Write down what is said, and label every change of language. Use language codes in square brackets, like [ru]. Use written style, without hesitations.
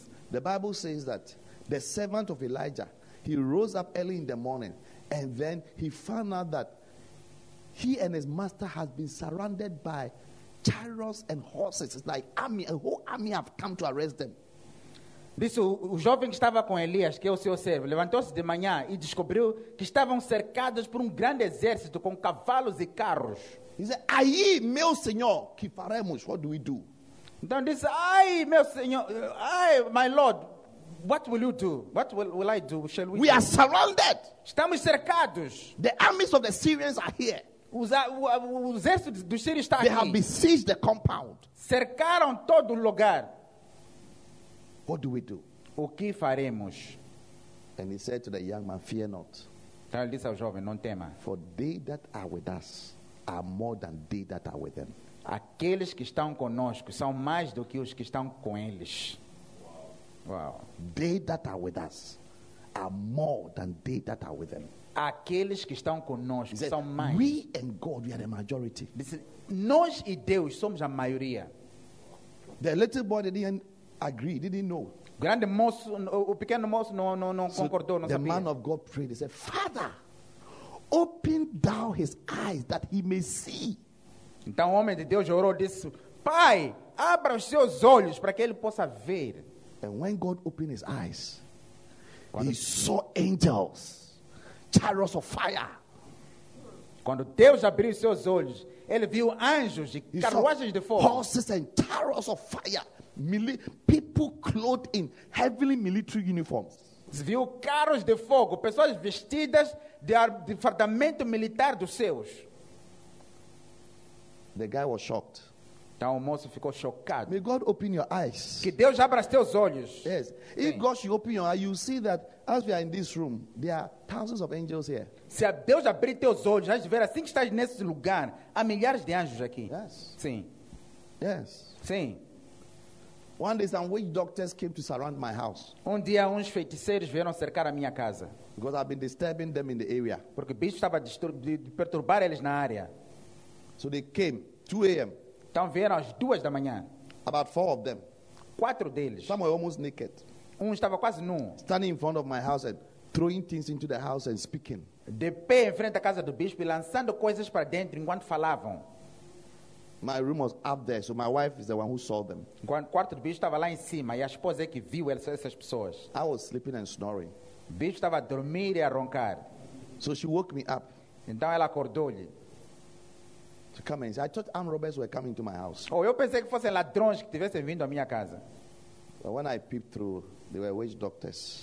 [en] The Bible says that the servant of Elijah, he rose up early in the morning, and then he found out that he and his master has been surrounded by chariots and horses. It's like army, a whole army have come to arrest them. [pt] Diz o jovem que estava com Elias, que é o seu servo, levantou-se de manhã e descobriu que estavam cercados por grande exército com cavalos e carros. [en] He said, [pt] "Aí, meu senhor, que faremos? [en] What do we do?" [pt] Então diz, ai, meu senhor, ai, [en] my lord, what will you do? What will I do? Shall we? We are surrounded. [pt] Estamos cercados. [en] The armies of the Syrians are here. [pt] O exército dos sírios está [en] they [pt] aqui. [en] They have besieged the compound. [pt] Cercaram todo o lugar. [en] What do we do? [pt] O que faremos? [en] And he said to the young man, fear not. [pt] Então ele disse ao jovem, não tema. [en] For they that are with us are more than they that are with them. [pt] Aqueles que estão conosco são mais do que os que estão com eles. [en] Wow. They that are with us are more than they that are with them. [pt] Aqueles que estão conosco [en] said, [pt] são mais. [en] We and God, we are the majority. Listen, [pt] nós e Deus somos a maioria. [en] The little boy didn't agree, didn't know. [pt] Grande moço, o pequeno moço não concordou, não [en] the [pt] sabia. [en] Man of God prayed. He said, "Father, open thou his eyes that he may see." [pt] Então o homem de Deus orou e disse, Pai, abra os seus olhos para que ele possa ver. [en] And when God opened his eyes, he saw angels, chariots of fire. [pt] Quando Deus abriu os seus olhos, ele viu anjos e carruagens de fogo. [en] Horses and chariots of fire. People clothed in heavily military uniforms. [pt] Viu carros de fogo, pessoas vestidas de fardamento militar dos seus. [en] The guy was shocked. [pt] Então o moço ficou chocado. [en] May God open your eyes. [pt] Que Deus abra os teus olhos. [en] Yes. [pt] Sim. [en] If God should open your eyes, you see that as we are in this room, there are thousands of angels here. [pt] Se a Deus abrir teus olhos, vais ver assim que estás nesse lugar, há milhares de anjos aqui. [en] Yes. [pt] Sim. [en] Yes. [pt] Sim. [en] One day some witch doctors came to surround my house. [pt] Um dia uns feiticeiros vieram cercar a minha casa. [en] Because I've been disturbing them in the area. [pt] Porque o bicho estava de perturbar eles na área. [en] So they came 2 a.m. [pt] Então vieram às 2 da manhã. [en] About 4 of them. [pt] Quatro deles. [en] Some were almost naked. [pt] Um estava quase nu. [en] Standing in front of my house and throwing things into the house and speaking. [pt] De pé em frente à casa do bispo e lançando coisas para dentro enquanto falavam. [en] My room was up there, so my wife is the one who saw them. [pt] O quarto do bispo estava lá em cima e a esposa é que viu essas pessoas. [en] I was sleeping and snoring. [pt] O bispo estava a dormir e a roncar. [en] So she woke me up. [pt] Então ela acordou-lhe. [en] To come and say, I thought armed robbers were coming to my house. [pt] Oh, eu pensei que fossem ladrões que tivessem vindo à minha casa. [en] But when I peeped through, they were witch doctors.